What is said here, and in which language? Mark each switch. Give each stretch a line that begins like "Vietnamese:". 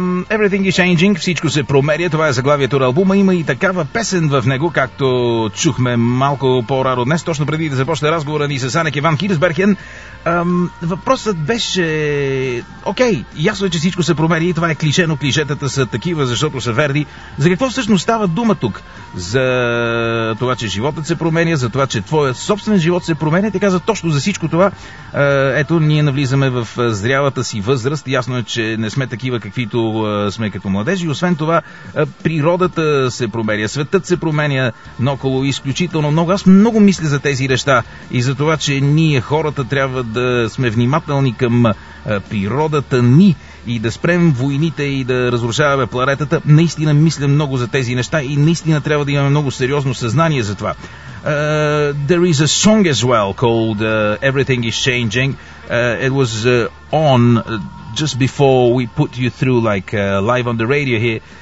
English: Everything is changing,
Bulgarian: всичко се променя. Това е заглавието на албума. Има и такава песен в него, както чухме малко по-рано днес, точно преди да започне разговора ни с Анеке ван Хирсберген. Въпросът беше... Окей, ясно е, че всичко се променя и това е клише, но клишетата са такива, защото са верни. За какво всъщност става дума тук? За това, че животът се променя, за това, че твоят собствен живот се променя. Те каза точно за всичко това. Ето, ние навлизаме в зрялата си възраст. Ясно е, че не сме такива, каквито сме като младежи. Освен това, природата се променя, светът се променя наоколо изключително много. Аз много мисля за тези неща и за това, че ние хората трябва да сме внимателни към природата ни и да спрем войните и да разрушаваме планетата. Наистина мисля много за тези неща и наистина трябва да имаме много сериозно съзнание за това.
English: There is a song as well called Everything is Changing. It was on just before we put you through, like, live on the radio here.